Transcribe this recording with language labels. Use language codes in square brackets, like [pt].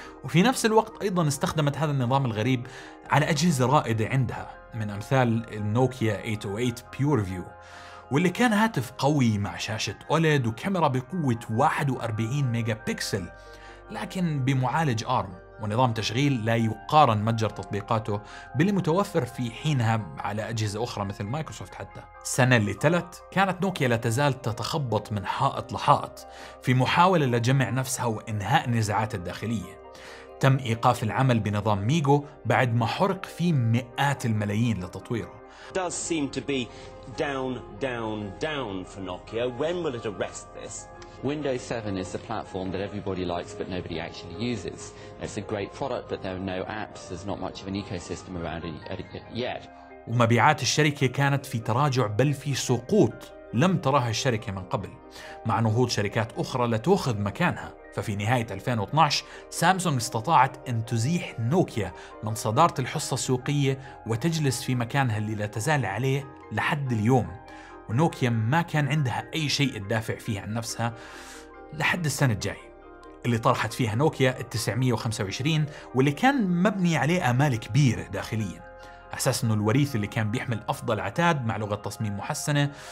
[ar] وفي نفس الوقت أيضا استخدمت هذا النظام الغريب على أجهزة رائدة عندها من أمثال النوكيا 808 Pure View، واللي كان هاتف قوي مع شاشة OLED وكاميرا بقوة 41 ميجا بيكسل لكن بمعالج ARM، ونظام تشغيل لا يقارن متجر تطبيقاته باللي متوفر في حينها على أجهزة أخرى مثل مايكروسوفت. حتى السنة اللي تلت كانت نوكيا لا تزال تتخبط من حائط لحائط في محاولة لجمع نفسها وإنهاء النزاعات الداخلية. تم إيقاف العمل بنظام ميجو بعد ما حرق فيه مئات الملايين لتطويره. [en] Does seem to be down, down, down for Nokia. When will it arrest this? Windows 7 is the platform that everybody likes but nobody actually uses. It's a great product but there are no apps. There's not much of an ecosystem around it yet. [ar] ومبيعات الشركة كانت في تراجع بل في سقوط لم تراها الشركة من قبل، مع نهوض شركات أخرى لتأخذ مكانها. ففي نهاية 2012 سامسونج استطاعت أن تزيح نوكيا من صدارة الحصة السوقية وتجلس في مكانها اللي لا تزال عليه لحد اليوم، ونوكيا ما كان عندها أي شيء تدافع فيه عن نفسها لحد السنة الجاي اللي طرحت فيها نوكيا 925 واللي كان مبني عليه آمال كبيرة داخليا، أساس أنه الوريث اللي كان بيحمل أفضل عتاد مع لغة تصميم محسنة.